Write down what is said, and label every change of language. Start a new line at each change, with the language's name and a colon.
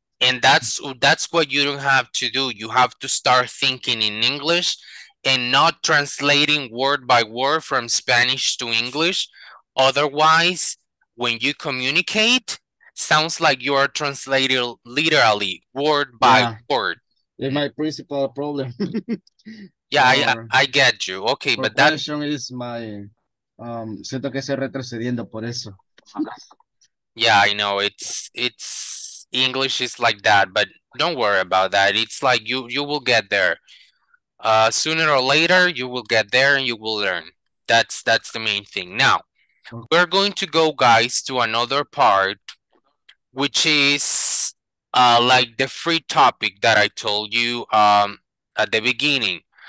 English: And that's what you don't have to do. You have to start thinking in English and not translating word by word from Spanish to English. Otherwise, when you communicate, sounds like you are translating literally word by word. It's my principal problem. I get you. Okay, but that question is my
Spanish: siento que estoy retrocediendo por eso.
English: Yeah, I know. It's English is like that, but don't worry about that. It's like you will get there. Sooner or later, you will get there and you will learn. That's the main thing. Now, we're going to go, guys, to another part, which is like the free topic that I told you at the beginning.